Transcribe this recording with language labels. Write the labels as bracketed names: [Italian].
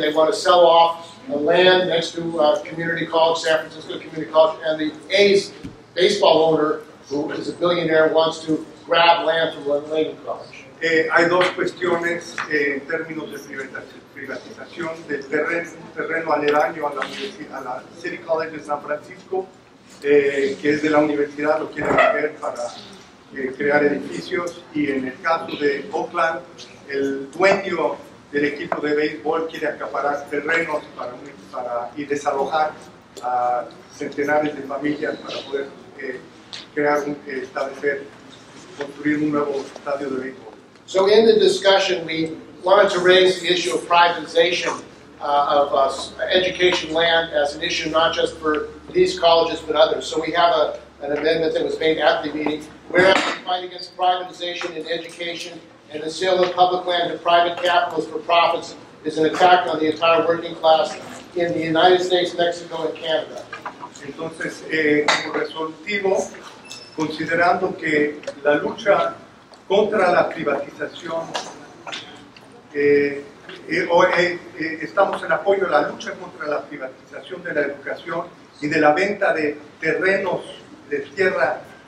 [English] They want to sell off the land next to Community College, San Francisco Community College, and the A's baseball owner, who is a billionaire, wants to grab land from Lincoln College. [Spanish] Hay dos cuestiones en términos de privatización del terreno aledaño a la universidad, a la City College de San Francisco, que es de la universidad, lo quieren hacer para crear edificios, y en el caso de Oakland, el dueño del equipo de béisbol quiere acaparar terrenos para y desalojar a centenares de familias para poder crear, establecer, construir un nuevo estadio de béisbol. [English] So in the discussion, we wanted to raise the issue of privatization of education land as an issue not just for these colleges but others. So we have an amendment that was made at the meeting. Whereas we fight against privatization in education and the sale of public land to private capitalists for profits is an attack on the entire working class in the United States, Mexico, and Canada. [Spanish] Entonces, como resolutivo, considerando que la lucha contra la privatización, estamos en apoyo a la lucha contra la privatización de la educación y de la venta de terrenos de tierra